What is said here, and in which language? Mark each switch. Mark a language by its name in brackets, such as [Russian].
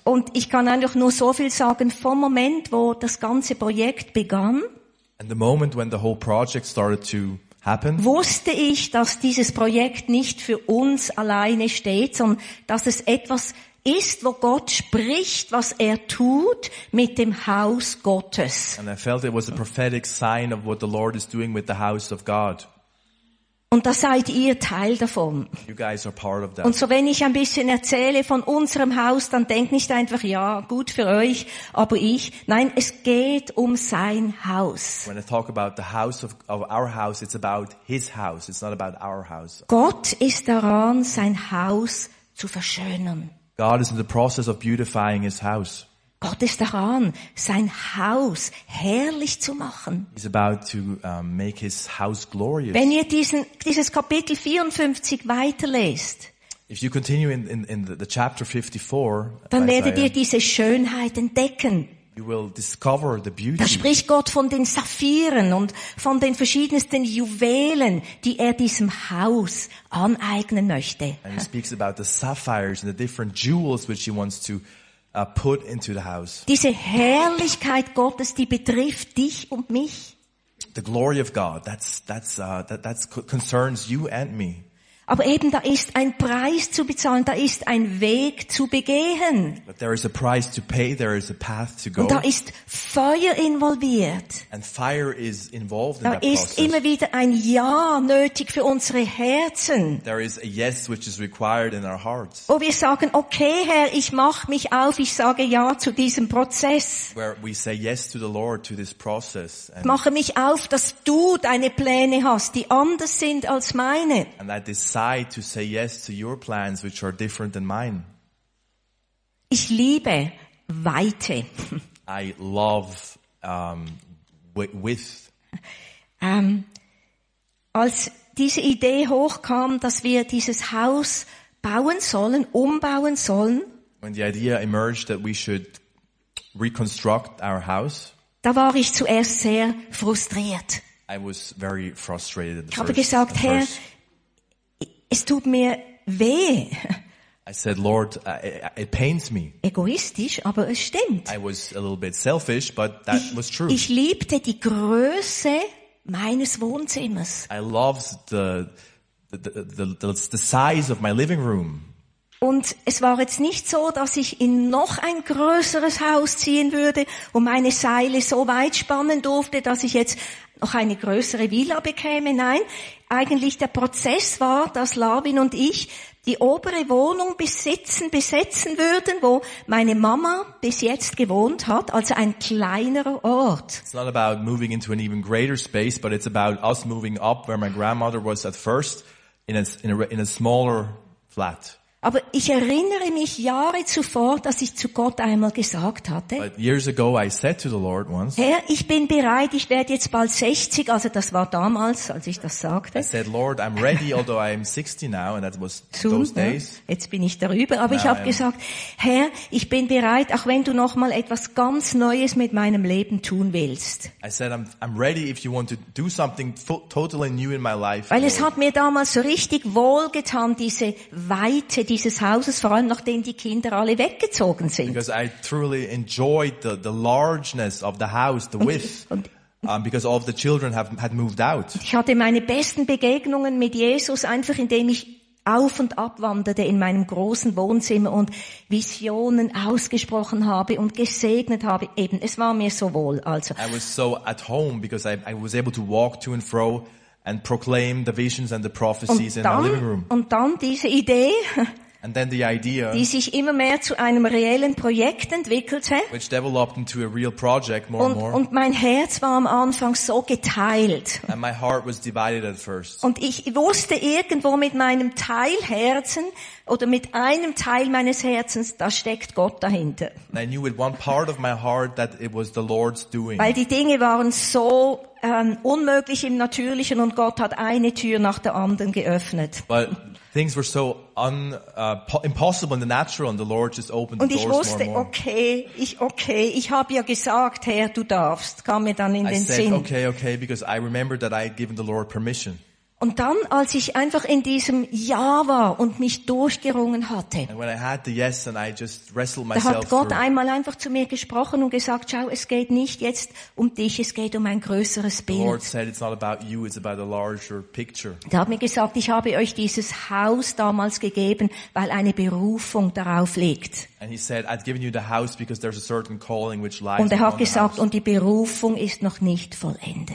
[German] Und ich kann einfach nur so viel sagen, vom Moment, wo das ganze Projekt begann, [English] and the moment when the whole project started to happen, [German] wusste ich, dass dieses Projekt nicht für uns alleine steht, sondern dass es etwas ist, wo Gott spricht, was er tut mit dem Haus Gottes. [English] And I felt it was a prophetic sign of what the Lord is doing with the house of God. [German] Und da seid ihr Teil davon. [English] You guys are part of that. [German] Und so wenn ich ein bisschen erzähle von unserem Haus, dann denkt nicht einfach, ja, gut für euch, aber ich. Nein, es geht um sein Haus. [English] When I talk about the house of our house, it's about his house, it's not about our house. [German] Gott ist daran, sein Haus zu verschönern. [English] God is in the process of beautifying his house. [German] Gott ist daran, sein Haus herrlich zu machen. [English] He's about to make his house glorious. [German] Wenn ihr dieses Kapitel 54 weiterlest, [English] if you continue in the chapter 54, [German] dann werdet ihr diese Schönheit entdecken. [English] You will discover the beauty. [German] Da spricht Gott von den Saphiren und von den verschiedensten Juwelen, die er diesem Haus aneignen möchte. [English] And he speaks about the sapphires and the different jewels which he wants to put into the house. [German] Diese Herrlichkeit Gottes, die betrifft dich und mich. [English] The glory of God, that's concerns you and me. [German] Aber eben, da ist ein Preis zu bezahlen, da ist ein Weg zu begehen. [English] But there is a price to pay, there is a path to go. [German] Und da ist Feuer involviert. [English] And fire is involved [German] da [English] in that [German] ist [English] process. [German] Immer wieder ein Ja nötig für unsere Herzen. [English] There is a yes which is required in our hearts. [German] Wo wir sagen, okay Herr, ich mach mich auf, ich sage Ja zu diesem Prozess. [English] Where we say yes to the Lord, to this process. [German] Ich mache mich auf, dass du deine Pläne hast, die anders sind als meine. [English] And that is decide to say yes to your plans which are different than mine. [German] Ich liebe Weite. [English] I love width. [German] Als diese Idee hochkam, dass wir dieses Haus bauen sollen, umbauen sollen, [English] when the idea emerged that we should reconstruct our house, [German] da war ich zuerst sehr frustriert. [English] I was very frustrated at the [German] Ich habe gesagt, Herr, es tut mir weh. [English] I said, Lord, it pains me. [German] Egoistisch, aber es stimmt. [English] I was a little bit selfish, but that was true. [German] Ich liebte die Größe meines Wohnzimmers. [English] I loved the size of my living room. [German] Und es war jetzt nicht so, dass ich in noch ein größeres Haus ziehen würde und meine Seile so weit spannen durfte, dass ich jetzt noch eine größere Villa bekäme. Nein, eigentlich der Prozess war, dass Lavin und ich die obere Wohnung besetzen würden, wo meine Mama bis jetzt gewohnt hat, also ein kleinerer Ort. [English] It's not about moving into an even greater space, but it's about us moving up where my grandmother was at first in a smaller flat. [German] Aber ich erinnere mich Jahre zuvor, dass ich zu Gott einmal gesagt hatte, [English] but years ago I said to the Lord once, [German] Herr, ich bin bereit, ich werde jetzt bald 60, also das war damals, als ich das sagte. [English] I said, Lord, I'm ready, although I am 60 now, and that was those days. [German] Jetzt bin ich darüber, aber ich habe gesagt, Herr, ich bin bereit, auch wenn du noch mal etwas ganz Neues mit meinem Leben tun willst. [English] I said, I'm ready if you want to do something totally new in my life. [German] Weil es hat mir damals so richtig wohl getan, diese Weite dieses Hauses, vor allem nachdem die Kinder alle weggezogen sind. [English] Because I truly enjoyed the largeness of the house, the width, because all of the children had moved out. [German] Ich hatte meine besten Begegnungen mit Jesus einfach, indem ich auf und ab wanderte in meinem großen Wohnzimmer und Visionen ausgesprochen habe und gesegnet habe. Eben, es war mir so wohl. Also. [English] I was so at home, because I was able to walk to and fro and proclaim the visions and the prophecies [German] und dann, [English] in our living room. [German] Und dann diese Idee, [English] and then the idea, [German] die sich immer mehr zu einem reellen Projekt entwickelte, [English] which developed into a real project more and more. [German] Und mein Herz war am Anfang so geteilt. [English] And my heart was divided at first. [German] Und ich wusste irgendwo mit meinem Teilherzen oder mit einem Teil meines Herzens, da steckt Gott dahinter. [English] And I knew with one part of my heart that it was the Lord's doing. [German] Weil die Dinge waren so unmöglich im Natürlichen und Gott hat eine Tür nach der anderen geöffnet. [English] But things were so impossible in the natural, and the Lord just opened [German] und [English] the doors [German] wusste, [English] more and more. [German] Und ich wusste, okay, ich habe ja gesagt, Herr, du darfst, kam mir dann in den Sinn. [English] I said, okay, because I remembered that I had given the Lord permission. [German] Und dann, als ich einfach in diesem Ja war und mich durchgerungen hatte, [English] and when I had the yes and I just wrestled myself [German] da hat Gott [English] through. [German] Einmal einfach zu mir gesprochen und gesagt, schau, es geht nicht jetzt um dich, es geht um ein größeres Bild. [English] The Lord said, it's not about you, it's about a larger picture. [German] Er hat mir gesagt, ich habe euch dieses Haus damals gegeben, weil eine Berufung darauf liegt. [English] And he said, I've given you the house because there's a certain calling which lies upon the house. [German] Und er hat gesagt, und die Berufung ist noch nicht vollendet.